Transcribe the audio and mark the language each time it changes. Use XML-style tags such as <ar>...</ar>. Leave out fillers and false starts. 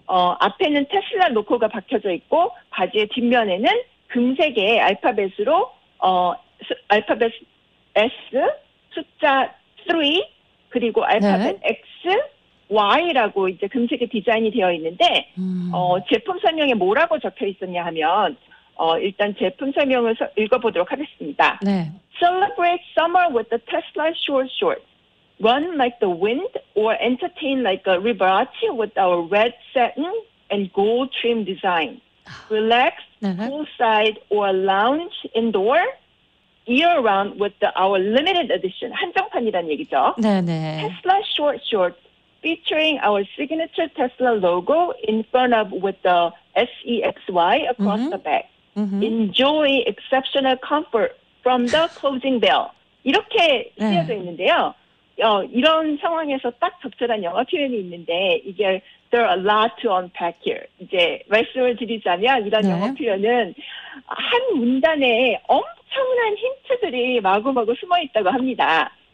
<ko>앞에는 테슬라 로고가 박혀져 있고 바지의 뒷면에는 금색의 알파벳으로 알파벳 S 숫자 3 그리고 알파벳 네. X Y라고 이제 금색의 디자인이 되어 있는데 제품 설명에 뭐라고 적혀 있었냐 하면 일단 제품 설명을 읽어보도록 하겠습니다. 네.</ko> <en>Celebrate summer with the Tesla short shorts. Run like the wind or entertain like a Liberace with our red satin and gold trim design. Relax</en> <ko>네.</ko> <en>poolside or lounge indoor. Year round with our limited edition</en> <ko>한정판이라는 얘기죠. 네네.</ko> <en>Tesla short shorts. Featuring our signature Tesla logo in front of with the SEXY across mm-hmm. the back. Mm-hmm. Enjoy exceptional comfort from the closing bell.</en> <ko>이렇게 쓰여져 네. 있는데요. 이런 상황에서 딱 적절한 영어 표현이 있는데 이게</ko> <en>there are a lot to unpack here.</en> <ko>이제 말씀을 드리자면 이런 네. 영어 표현은 한 문단에 엄청난 힌트들이 마구마구 숨어있다고 합니다.</ko>